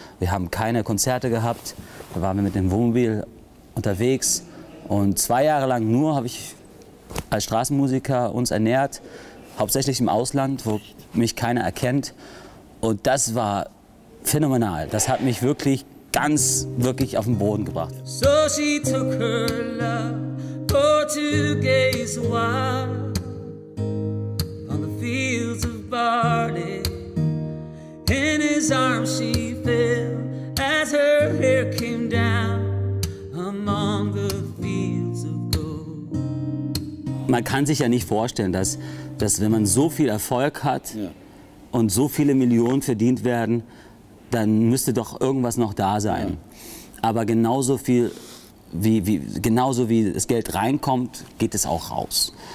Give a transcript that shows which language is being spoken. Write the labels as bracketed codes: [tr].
[de] Wir haben keine Konzerte gehabt. Da waren wir mit dem Wohnmobil unterwegs. Und 2 Jahre lang nur habe ich als Straßenmusiker uns ernährt. Hauptsächlich im Ausland, wo mich keiner erkennt. Und das war phänomenal. Das hat mich wirklich ganz, wirklich auf den Boden gebracht. [en] So she took her love, for to gaze wild on the fields of barley. In his arms she fell as her hair came down among the fields of gold. [de] Man kann sich ja nicht vorstellen, dass wenn man so viel Erfolg hat und so viele Millionen verdient werden, dann müsste doch irgendwas noch da sein. Aber genauso viel, genauso wie das Geld reinkommt, geht es auch raus.